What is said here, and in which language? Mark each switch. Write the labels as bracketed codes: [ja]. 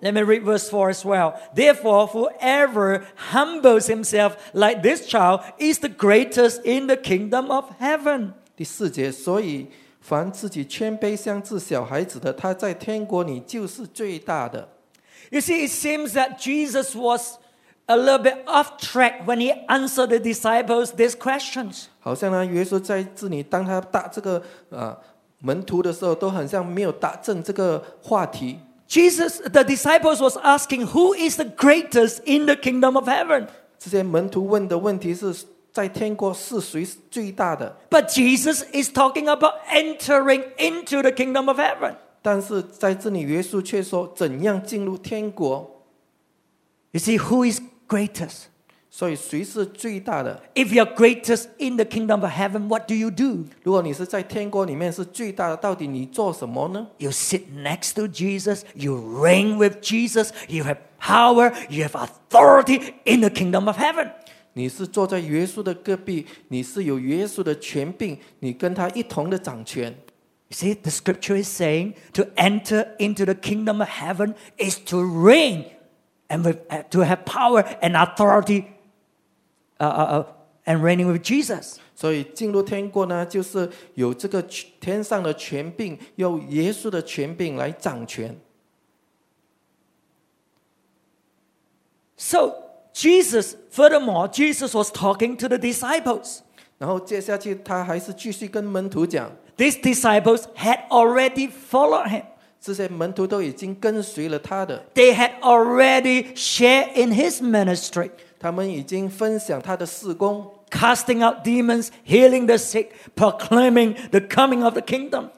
[en] Let me read verse 4 as well. Therefore, whoever humbles himself like this child is the greatest in the kingdom of heaven. [zh] 第四节，所以凡自己谦卑像自小孩子的，他在天国里就是最大的。 [en] You see, it seems that Jesus was. A little bit off track when he answered the disciples these questions. [zh] 好像呢，耶稣在这里，当他答这个门徒的时候，都很像没有答正这个话题。 [en] Jesus, the disciples was asking, "Who is the greatest in the kingdom of heaven?" [zh] 这些门徒问的问题是在天国是谁最大的 [en] ？But Jesus is talking about entering into the kingdom of heaven. [zh] 但是在这里，耶稣却说怎样进入天国。 [en] You see, who is greatest? [zh] 所以谁是最大的？ [en] If you're greatest in the kingdom of heaven, what do you do? [zh] 如果你是在天国里面是最大的，到底你做什么呢？ [en] You sit next to Jesus, you reign with Jesus, you have power, you have authority in the kingdom of heaven. [zh] 你是坐在耶稣的隔壁，你是有耶稣的权柄，你跟他一同的掌权。 [en] You see, the scripture is saying to enter into the kingdom of heaven is to reign and to have power and authority and reigning with Jesus. [zh] 所以进入天国呢，就是有这个天上的权柄，有耶稣的权柄来掌权。 [en] So Jesus, furthermore, Jesus was talking to the disciples. [zh] 然后接下去他还是继续跟门徒讲。 [en] These disciples had already followed him. [zh] 这些门徒都已经跟随了他的。 [en] They had already shared in his ministry. [zh] 他们已经分享他的事工。 [en] Casting out demons, healing the sick, proclaiming the coming of the kingdom.